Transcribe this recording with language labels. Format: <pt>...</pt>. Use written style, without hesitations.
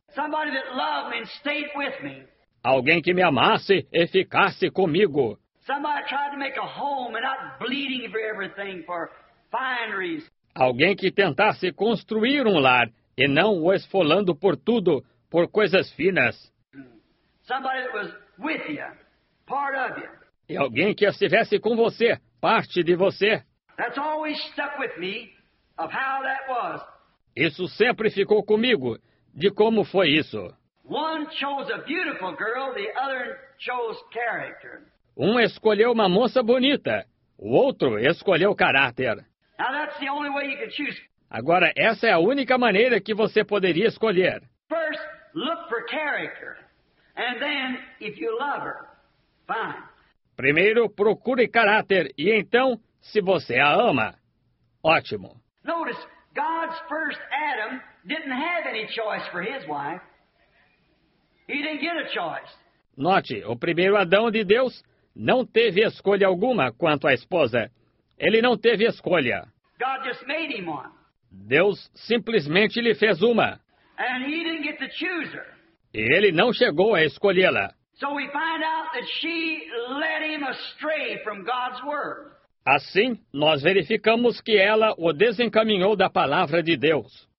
<en>Somebody that loved me and stayed with me.</en> <pt>Alguém que me amasse e ficasse comigo.</pt> <en>Somebody tried to make a home and not bleeding for everything for fineries.</en> <pt>Alguém que tentasse construir um lar e não o esfolando por tudo, por coisas finas.</pt> <en>Somebody that was with you, part of you.</en> <pt>E alguém que estivesse com você, parte de você.</pt> <en>That's always stuck with me of how that was.</en> <pt>Isso sempre ficou comigo, de como foi isso.</pt> <en>One chose a beautiful girl, the other chose character.</en> <pt>Um escolheu uma moça bonita, o outro escolheu caráter.</pt> <en>Now that's the only way you can choose.</en> <pt>Agora, essa é a única maneira que você poderia escolher.</pt> <en>First, look for character. And then, if you love her, fine.</en> <pt>Primeiro, procure caráter. E então, se você a ama, ótimo.</pt> <en>Notice, God's first Adam didn't have any choice for his wife. He didn't get a choice.</en> <pt>Note, o primeiro Adão de Deus não teve escolha alguma quanto à esposa. Ele não teve escolha.</pt> <en>God just made him one.</en> <pt>Deus simplesmente lhe fez uma.</pt> <en>And he didn't get to choose her.</en> <pt>E ele não chegou a escolhê-la.</pt> <en>So we find out that she led him astray from God's word.</en> <pt>Assim, nós verificamos que ela o desencaminhou da palavra de Deus.</pt>